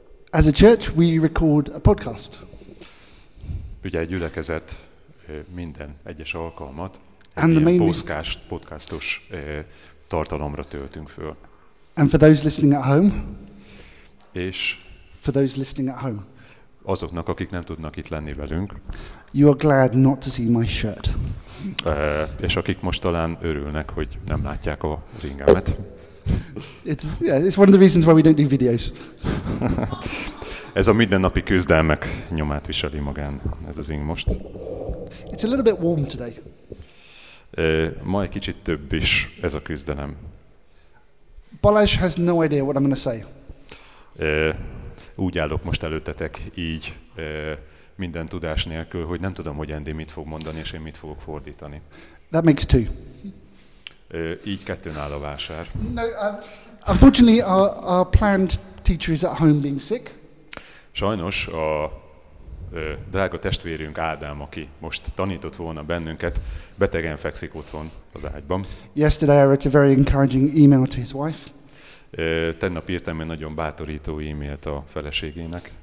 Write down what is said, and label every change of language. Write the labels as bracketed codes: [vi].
[en] As a church, we record a podcast. [hu] Ugye egy gyülekezet minden egyes alkalmat, [en] and the main [hu] podcastos tartalomra töltünk föl. [en] And for those listening at home. [hu] És [en] for those listening at home. [hu] Azoknak, akik nem tudnak itt lenni velünk. [en] You are glad not to see my shirt. [hu] És akik most talán örülnek, hogy nem látják az ingemet. [en] It's one of the reasons why we don't do videos. [hu] Ez a mindennapi küzdelmek nyomát viseli magán, ez az ing most. [en] It's a little bit warm today. [hu] Ma egy kicsit több is ez a küzdelem. [en] Balázs has no idea what I'm going to say. [hu] Úgy állok most előttetek így, minden tudás nélkül, hogy nem tudom, hogy Andy mit fog mondani, és én mit fogok fordítani. [en] That makes two. [hu] Így kettőn áll a vásár. [en] No, unfortunately, our planned teacher is at home being sick. [hu] Sajnos a drága testvérünk Ádám, aki most tanított volna bennünket, betegen fekszik otthon az ágyban. [en] Yesterday I wrote a very encouraging email to his wife. [hu] Tegnap írtam egy nagyon bátorító e-mailt a feleségének.